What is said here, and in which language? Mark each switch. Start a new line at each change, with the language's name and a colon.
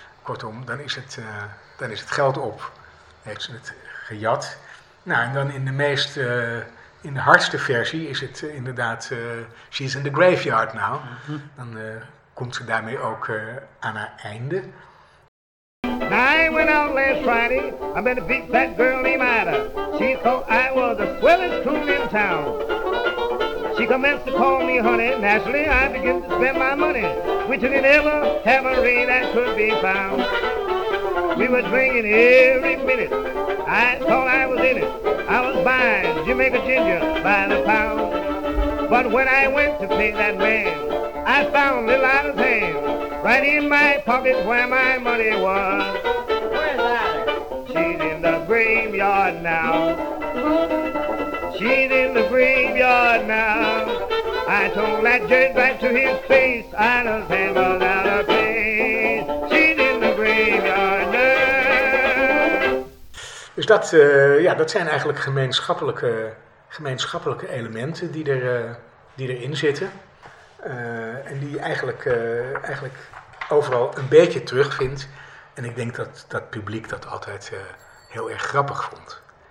Dutch: Kortom, dan is het geld op. Heeft ze het gejat. Nou, en dan in de meest, in de hardste versie is het inderdaad,
English: she's in the graveyard now.
Dutch: Mm-hmm. Dan komt ze daarmee ook aan haar einde.
English: I went out last Friday, I met a big fat girl named Ida. She thought I was the swellest coon in town. She commenced to call me honey, naturally I began to spend my money. We took an ever cabaret that could be found. We were drinking every minute, I thought I was in it. I was buying Jamaica ginger by the pound. But when I went to pay that man, I found a little out of hand, right in my pocket where my money was. Where's that? She's in the graveyard now. She's in the graveyard now. I told that judge right to his face, out of hand was out of place. She's in the graveyard now.
Dutch: Dus dat, dat zijn eigenlijk gemeenschappelijke elementen die erin zitten. En die je eigenlijk overal een beetje terugvindt. En ik denk dat publiek dat altijd heel erg grappig vond.